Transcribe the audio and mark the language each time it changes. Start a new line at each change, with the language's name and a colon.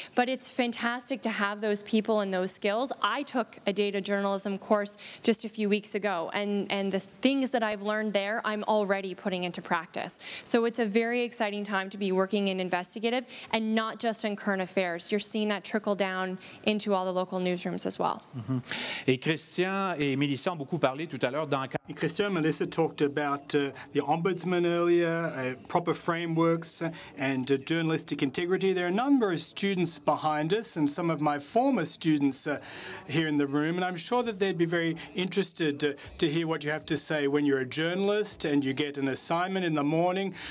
English: But it's fantastic to have those people and those skills. I took a data journalism course just a few weeks ago, and the things that I've learned there, I'm already putting into practice. So it's a very exciting time to be working in investigative, and not just in current affairs. You're seeing that trickle down into all the local newsrooms as well.
French: Mm-hmm. Et Christian et Mélissa ont beaucoup parlé tout à l'heure d'enquête.
English: Christian and Melissa talked about the ombudsman earlier, proper frameworks, and journalistic integrity. There are a number of students behind us, and some of my former students here in the room, and I'm sure that they'd be very interested to hear what you have to say when you're a journalist and you get an assignment in the morning.